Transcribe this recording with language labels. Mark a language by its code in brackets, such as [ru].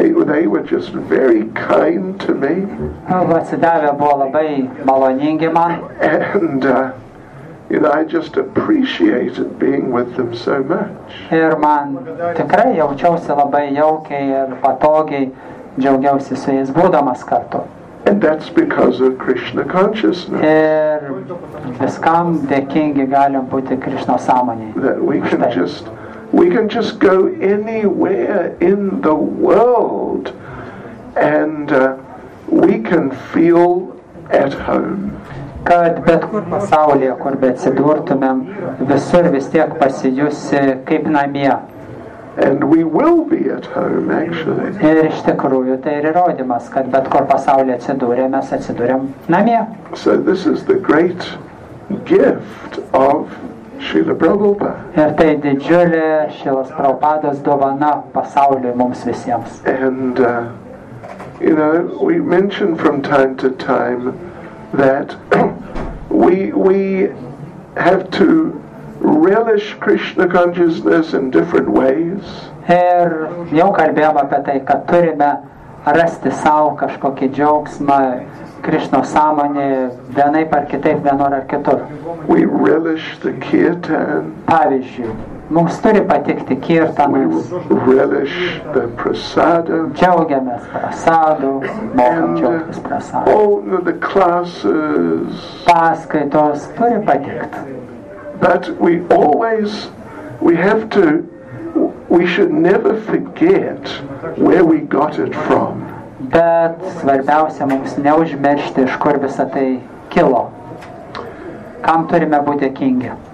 [en] They were just very kind to me. [lt] Atsidavę buvo labai maloningi man. [en] And you know, I just appreciated being with them so much. [lt] Ir man tikrai jaučiausi labai jaukiai ir patogiai, džiaugiausi su jais būdamas kartu. [en] And that's because of Krishna consciousness. [lt] Ir viskam dėkingi galim būti Krishna sąmonėj. [en] That we can just go anywhere in the world and we can feel at home. [lt] Kad bet kur pasaulyje, kur be atsidurtumėm, visur vis tiek pasijusi kaip namie. [en] And we will be at home, actually. [lt] Ir iš tikrųjų tai ir įrodymas, kad bet kur pasaulyje atsidūrė, mes atsidūrėm namie. [en] So this is the great gift of Srila Prabhupada. [lt] Ir tai didžiulė Šrilos Prabhupados dovana pasauliui mums visiems. [en] And you know, we mention from time to time that we have to relish Krishna consciousness in different ways. [lt] Ir jau kalbėjom apie tai, kad turime rasti sau kažkokį džiaugsmą Krishna sąmonį vienaip ar kitaip, vienor ar kitur. [en] We relish the kirtan. [lt] Pavyzdžiui, mums turi patikti kirtanas. [en] We relish the prasada. [lt] Džiaugiamės prasadu, mokam džiaugtis prasadu. [en] All the classes. [lt] Paskaitos turi patikti. [en] But we should never forget where we got it from. [lt] Bet svarbiausia mums neužmiršti, iš kur visa tai kilo. Kam turime būti dėkingi?